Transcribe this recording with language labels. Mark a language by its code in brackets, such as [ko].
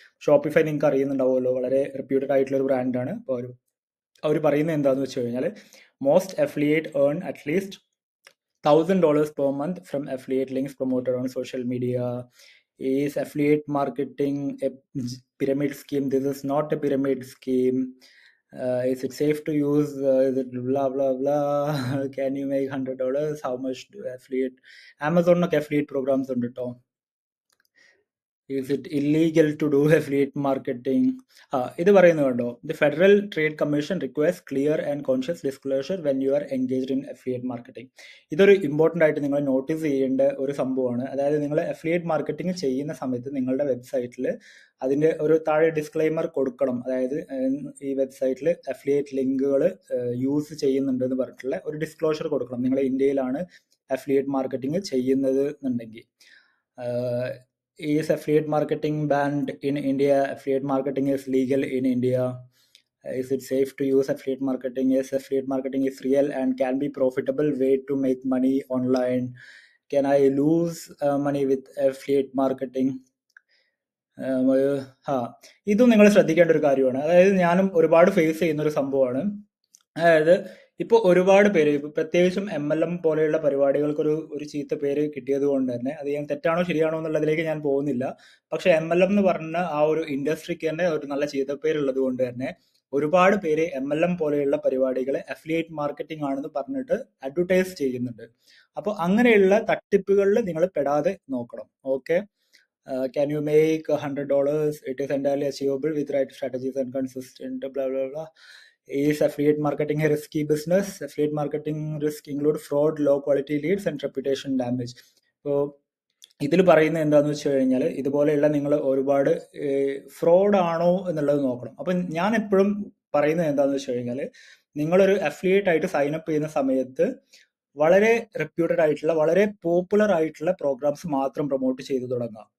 [ml] Shopify നിങ്ങൾക്ക് അറിയുന്നുണ്ടാവുമല്ലോ, വളരെ reputed ആയിട്ടുള്ള ഒരു ബ്രാൻഡാണ്. അപ്പോൾ അവർ പറയുന്നത് എന്താന്ന് വെച്ച് കഴിഞ്ഞാൽ, [en] Most affiliate earn at least $1,000 per month from affiliate links promoted on social media. Is affiliate marketing a pyramid scheme? This is not a pyramid scheme. Is it safe to use, is it blah blah blah, can you make $100, how much do affiliate, Amazon no affiliate programs undu to, is it illegal to do affiliate marketing, [ml] idu parayunnu kando, [en] the Federal Trade Commission requires clear and conscious disclosure when you are engaged in affiliate marketing. [ml] Idu oru important aayittu ningal notice cheyende oru sambhavana. Adhaayathu ningal affiliate marketing cheyyina samayathu ningalde website il അതിൻ്റെ ഒരു താഴെ disclaimer കൊടുക്കണം. അതായത് ഈ വെബ്സൈറ്റിൽ affiliate ലിങ്കുകൾ use ചെയ്യുന്നുണ്ട് എന്ന് പറഞ്ഞിട്ടുള്ള ഒരു ഡിസ്ക്ലോഷർ കൊടുക്കണം, നിങ്ങൾ ഇന്ത്യയിലാണ് അഫിലിയേറ്റ് മാർക്കറ്റിംഗ് ചെയ്യുന്നത് എന്നുണ്ടെങ്കിൽ. [en] Is affiliate marketing banned in India? Affiliate marketing is legal in India? Is it safe to use affiliate marketing? Yes, affiliate marketing is real and can be profitable way to make money online. Can I lose money with affiliate marketing? [ml] ഇതും നിങ്ങൾ ശ്രദ്ധിക്കേണ്ട ഒരു കാര്യമാണ്. അതായത് ഞാനും ഒരുപാട് face ചെയ്യുന്ന ഒരു സംഭവമാണ്. അതായത് ഇപ്പോൾ ഒരുപാട് പേര്, ഇപ്പോൾ പ്രത്യേകിച്ചും എം എൽ എം പോലെയുള്ള പരിപാടികൾക്കൊരു ഒരു ചീത്ത പേര് കിട്ടിയത് കൊണ്ട് തന്നെ, അത് ഞാൻ തെറ്റാണോ ശരിയാണോ എന്നുള്ളതിലേക്ക് ഞാൻ പോകുന്നില്ല, പക്ഷെ എം എൽ എം എന്ന് പറഞ്ഞ ആ ഒരു ഇൻഡസ്ട്രിക്ക് തന്നെ ഒരു നല്ല ചീത്ത പേരുള്ളത് കൊണ്ട് തന്നെ ഒരുപാട് പേര് എം എൽ എം പോലെയുള്ള പരിപാടികളെ അഫിലിയേറ്റ് മാർക്കറ്റിംഗ് ആണെന്ന് പറഞ്ഞിട്ട് അഡ്വർടൈസ് ചെയ്യുന്നുണ്ട്. അപ്പോൾ അങ്ങനെയുള്ള തട്ടിപ്പുകളിൽ നിങ്ങൾ പെടാതെ നോക്കണം. [en] Okay, can you make $100? It is entirely achievable with right strategies and consistent blah blah blah. Is affiliate marketing a risky business? Affiliate marketing risk include fraud, low quality leads and reputation damage. [ml] So ഇതിൽ പറയുന്നത് എന്താന്ന് വെച്ച് കഴിഞ്ഞാൽ, ഇതുപോലെയുള്ള നിങ്ങൾ ഒരുപാട് fraud ആണോ എന്നുള്ളത് നോക്കണം. അപ്പം ഞാൻ എപ്പോഴും പറയുന്നത് എന്താന്ന് വെച്ച് കഴിഞ്ഞാൽ, നിങ്ങളൊരു അഫിലിയേറ്റ് ആയിട്ട് സൈനപ്പ് ചെയ്യുന്ന സമയത്ത് വളരെ റെപ്യൂട്ടഡ് ആയിട്ടുള്ള വളരെ പോപ്പുലർ ആയിട്ടുള്ള പ്രോഗ്രാംസ് മാത്രം പ്രൊമോട്ട് ചെയ്ത് തുടങ്ങാം.